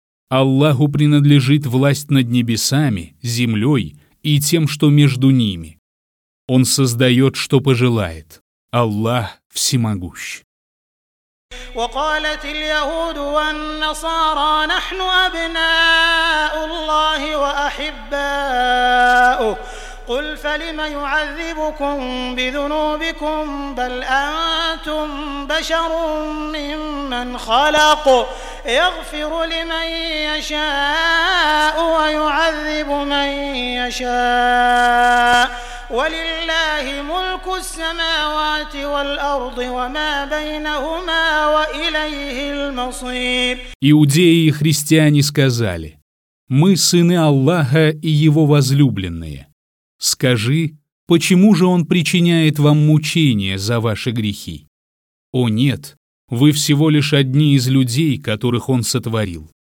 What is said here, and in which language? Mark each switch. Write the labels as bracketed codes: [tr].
[ru] Аллаху принадлежит власть над небесами, землей и тем, что между ними. Он создает, что пожелает. Аллах всемогущ. [ar] وقالت اليهود والنصارى نحن أبناء الله وأحباؤه قل فلم يعذبكم بذنوبكم بل أنتم بشر ممن خلق يغفر لمن يشاء ويعذب من يشاء ولله ملك السماوات والأرض وما بينهما وإليه المصير. [ru] Иудеи и христиане сказали: «Мы сыны Аллаха и Его возлюбленные. Скажи, почему же Он причиняет вам мучения за ваши грехи? О нет, вы всего лишь одни из людей, которых Он сотворил.